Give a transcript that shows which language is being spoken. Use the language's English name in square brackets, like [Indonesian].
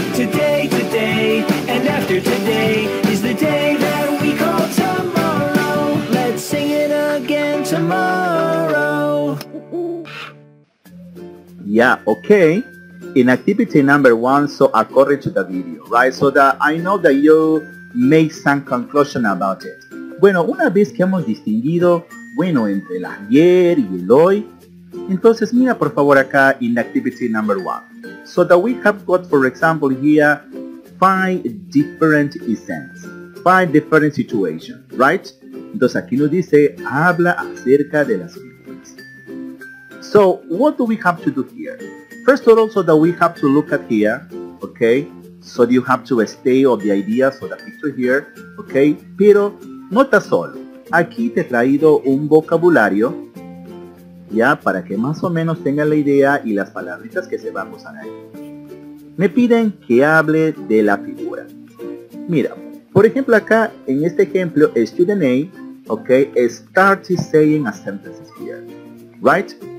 [English] Today, today, and after today is the day that we call tomorrow. Let's sing it again tomorrow. Yeah, okay. In activity number one, so according to the video, right? So that I know that you make some conclusion about it. [Spanish] Bueno, una vez que hemos distinguido, bueno, entre el ayer y el hoy, entonces mira por favor acá [English] in activity number one. So that we have got, for example, here, five different events, five different situations, right? [Spanish] Entonces aquí nos dice, habla acerca de las mismas. [English] So, what do we have to do here? First of all, so that we have to look at here, okay? So you have to stay of the ideas of the picture here, okay? [Spanish] Pero no está solo. Aquí te he traído un vocabulario, ya, para que más o menos tengan la idea y las palabritas que se van a usar ahí. Me piden que hable de la figura. Mira, por ejemplo acá, en este ejemplo, [English] student A, okay, start saying a sentence here, right?